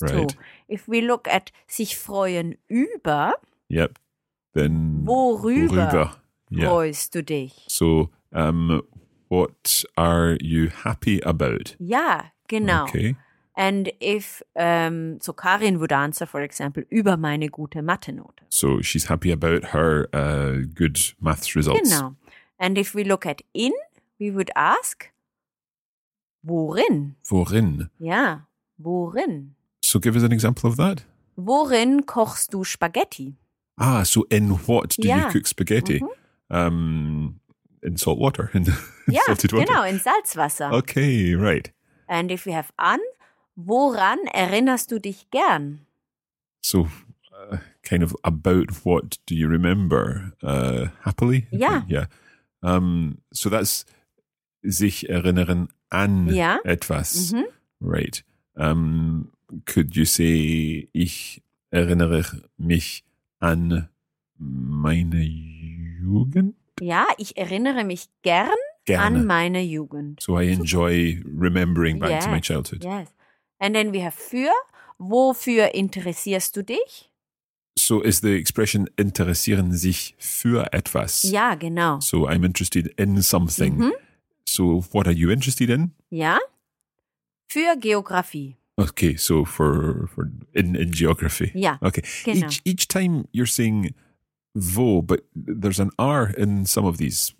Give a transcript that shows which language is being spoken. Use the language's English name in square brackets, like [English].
[English] right. too. If we look at sich freuen über. Yep, then [German] worüber [English] yeah. [German] freust du dich? [English] So, what are you happy about? Yeah, genau. Okay. And if, so Karin would answer, for example, [German] über meine gute Mathe-Note. [English] So she's happy about her good maths results. [German] Genau. [English] And if we look at in, we would ask, worin? [German] Worin? [English] Yeah, worin? So give us an example of that. [German] Worin kochst du Spaghetti? [English] Ah, so in what do yeah. you cook spaghetti? Mm-hmm. In salt water, in yeah, salted water. [German] Genau, in Salzwasser. [English] Okay, right. And if we have an, [German] woran erinnerst du dich gern? [English] So, kind of about what do you remember? Happily? Yeah. Yeah. So that's sich erinnern an yeah. [German] etwas. Mm-hmm. [English] Right. Could you say, [German] ich erinnere mich an meine Jugend? Ja, ich erinnere mich gern an meine Jugend. [English] So I enjoy remembering back yes, to my childhood. Yes. And then we have für. [German] Wofür interessierst du dich? [English] So is the expression interessieren sich für etwas. [German] Ja, genau. [English] So I'm interested in something. Mm-hmm. So what are you interested in? [German] Ja. Für Geografie. [English] Okay, so for in geography. [German] Ja. [English] Okay. [German] Genau. [English] Each time you're saying wo, but there's an R in some of these.